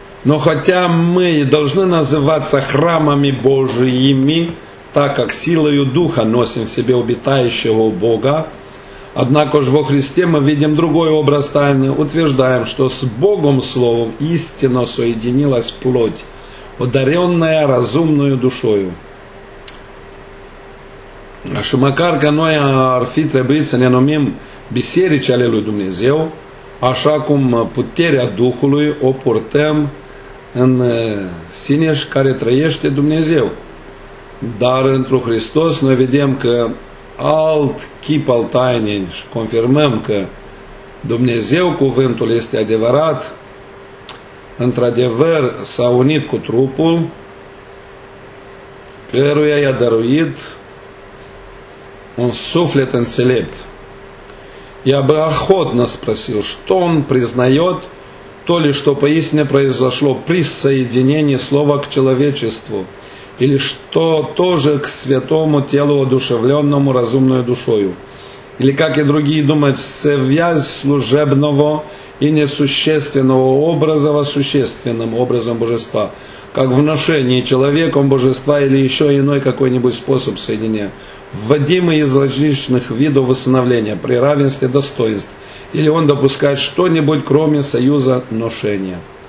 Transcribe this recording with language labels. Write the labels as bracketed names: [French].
[Russian] Но хотя мы должны называться храмами Божиими, так как силою Духа носим в себе обитающего Бога, однако же во Христе мы видим другой образ тайны, утверждаем, что с Богом Словом истинно соединилась плоть, одаренная разумною душою. [Romanian] Și măcar că noi ar fi trebuit să ne numim biserici ale lui Dumnezeu, așa cum puterea Duhului o purtăm în sine și care trăiește Dumnezeu. Dar într-un Hristos noi vedem că alt chip al tainei și confirmăm că Dumnezeu, cuvântul este adevărat, într-adevăr s-a unit cu trupul căruia i-a dăruit un suflet înțelept. [Russian] Я бы охотно спросил, что он признает, то ли что поистине произошло при соединении слова к человечеству, или что тоже к святому телу, одушевленному разумной душою, или, как и другие думают, связь служебного и несущественного образа во существенном образом Божества, как вношение человеком Божества или еще иной какой-нибудь способ соединения, вводимый из различных видов усыновления при равенстве достоинств, или он допускает что-нибудь, кроме союза ношения.